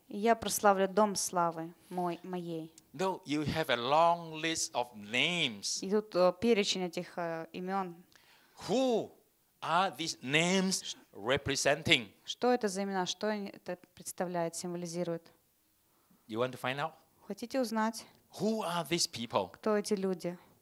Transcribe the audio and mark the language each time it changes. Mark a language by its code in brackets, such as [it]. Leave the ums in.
[ru] Я прославлю дом славы мой моей. [en] No, you have a long list of names. [ru] И тут перечень этих имен. [en] Who are these names representing? [ru] Что это за имена? Что это представляет, символизирует? [en] You want to find out? [ru] Хотите узнать? [en] Who are these people? [ru] Кто эти люди?